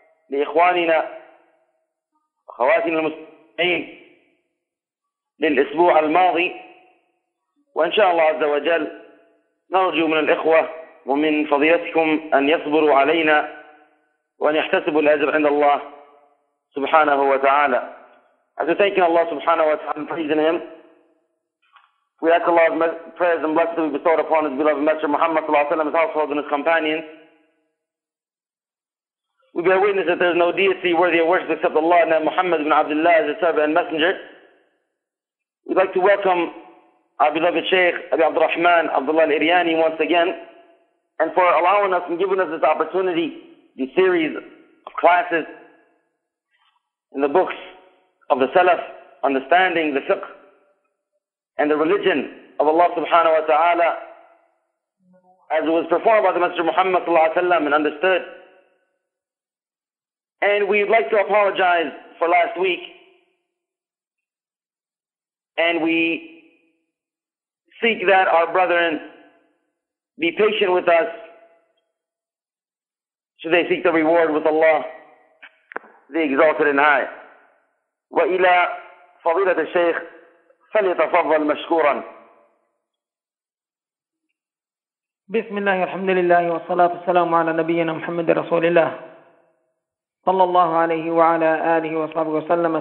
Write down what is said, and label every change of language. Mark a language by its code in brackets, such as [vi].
[ar] ولإخواننا أخواتنا المسلمين للأسبوع الماضي، وإن شاء الله عز وجل نرجو من الإخوة ومن فضيلتكم أن يصبروا علينا وأن يحتسبوا الأجر عند الله سبحانه وتعالى. [en] As we thank Allah [ar] subhanahu wa ta'ala [en] and praise in Him, we ask Allah's prayers and blessings to be bestowed upon His beloved Messenger Muhammad [ar] sallallahu alayhi wa sallam, [en] His household and His companions. We bear witness that there is no deity worthy of worship except Allah and that Muhammad ibn Abdullah is His servant and messenger. We'd like to welcome our beloved Shaykh Abi Abd al-Rahman Abdullah al-Iryani once again, and for allowing us and giving us this opportunity, this series of classes in the books of the Salaf, understanding the fiqh and the religion of Allah [ar] subhanahu wa ta'ala [en] as it was performed by the Messenger Muhammad [ar] sallallahu alayhi wa sallam [en] and understood. And we'd like to apologize for last week, and we seek that our brethren be patient with us should they seek the reward with Allah, the Exalted and High. [ar] وإلى فضيلة الشيخ فليتفضل مشكورا. بسم الله الرحمن الرحيم، والصلاة والسلام على نبينا محمد رسول الله صلى الله عليه وعلى آله وصحبه وسلم.